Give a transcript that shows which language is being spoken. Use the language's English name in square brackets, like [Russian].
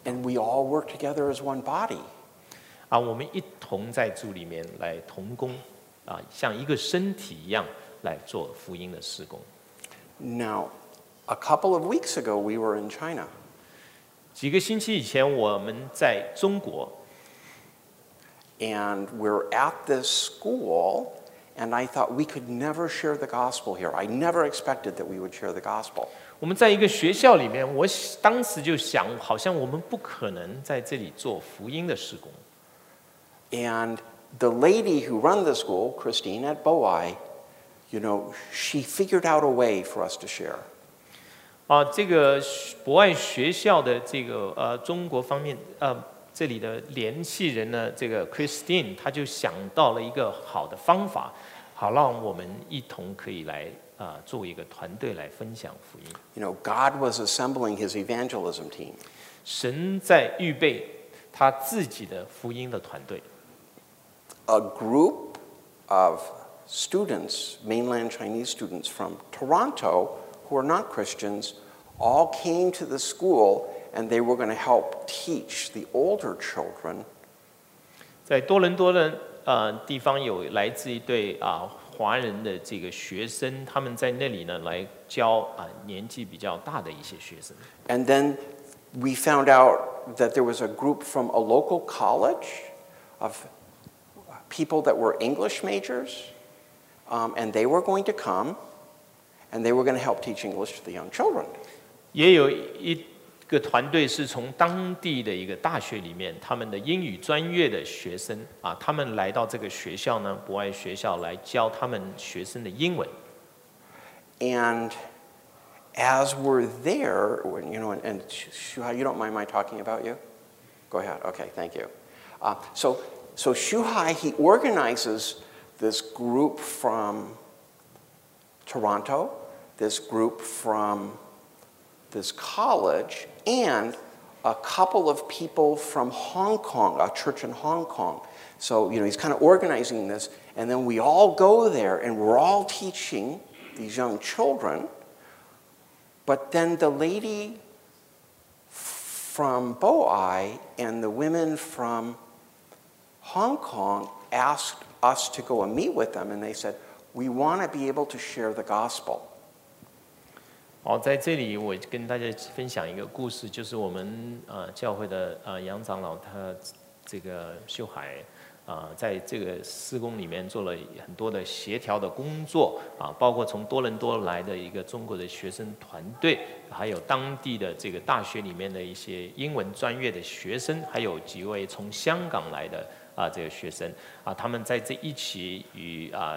[English] And we all work together as one body. [Chinese] 我们一同在主里面来同工，像一个身体一样。来做福音的事工。 [English] Now, a couple of weeks ago, we were in China. [Chinese] 几个星期以前，我们在中国。 [English] And we're at this school, and I thought we could never share the gospel here. I never expected that we would share the gospel. [Chinese] 我们在一个学校里面，我当时就想，好像我们不可能在这里做福音的事工。 [English] And the lady who runs the school, Christine at Bowai,You know, she figured out a way for us to share. [Chinese] 这个博爱学校的这个中国方面这里的联系人呢，这个 Christine, 她就想到了一个好的方法，好让我们一同可以来做一个团队来分享福音。 [English] You know, God was assembling his evangelism team. [Chinese] 神在预备他自己的福音的团队。 [English] a group of students, mainland Chinese students from Toronto, who are not Christians, all came to the school and they were going to help teach the older children. [Chinese] 在多伦多的地方有来自一对华人的这个学生，他们在那里呢来教年纪比较大的一些学生。 [English] And then we found out that there was a group from a local college of people that were English majors, and they were going to come, and they were going to help teach English to the young children. [Chinese] 也有一个团队是从当地的一个大学里面，他们的英语专业的学生他们来到这个学校呢，博爱学校来教他们学生的英文。 [English] And as we're there, when, you know, and Shuhai, you don't mind my talking about you? Go ahead. Okay, thank you. So Shuhai, he organizes this group from Toronto, this group from this college, and a couple of people from Hong Kong, a church in Hong Kong. So, you know, he's kind of organizing this, and then we all go there, and we're all teaching these young children. But then the lady from Boai and the women from Hong Kong asked us to go and meet with them, and they said, we want to be able to share the gospel. [Chinese] 在这里我跟大家分享一个故事，就是我们教会的杨长老他这个秀海在这个施工里面做了很多的协调的工作包括从多伦多来的一个中国的学生团队，还有当地的这个大学里面的一些英文专业的学生，还有几位从香港来的这个学生他们在这一起与